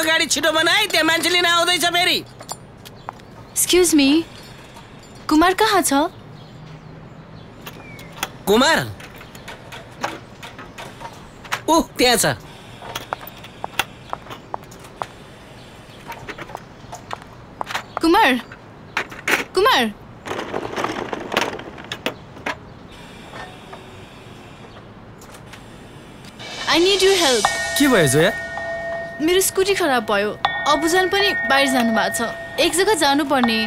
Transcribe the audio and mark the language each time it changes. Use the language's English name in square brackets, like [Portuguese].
[Nepali] छिटो बनाई, त्यहाँ मान्छे लिन आउँदैछ फेरि। [English] excuse me, [Nepali] कुमार कहाँ छ? कुमार ऊ त्यहाँ छ। [English] Kumar, Kumar, I need you help. [Nepali] के भयो जोया? मेरो स्कुटी खराब भयो, अबुजान पनि बाहिर जानु भएको छ, एक जग्गा जानुपर्ने।